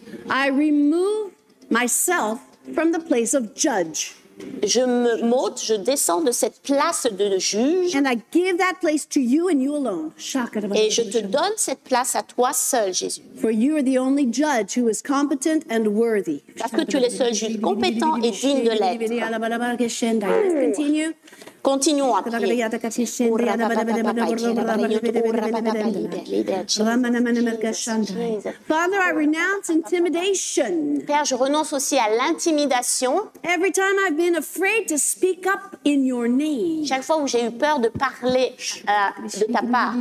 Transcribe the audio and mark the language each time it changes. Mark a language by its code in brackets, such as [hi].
[en] I remove myself from the place of judge. [fr] Je me monte, je descends de cette place de juge. [en] And I give that place to you and you alone. [fr] Et je te donne cette place à toi seul, Jésus. [en] For you are the only judge who is competent and worthy. [fr] Parce que tu es le seul juge compétent et digne de l'être. [en] Continue. [fr] Continuons. [en] Father, I renounce intimidation. [fr] Père, je renonce aussi à l'intimidation. [en] Every time I've been afraid to speak up in your name. [fr] Chaque fois où j'ai eu peur de parler de ta part.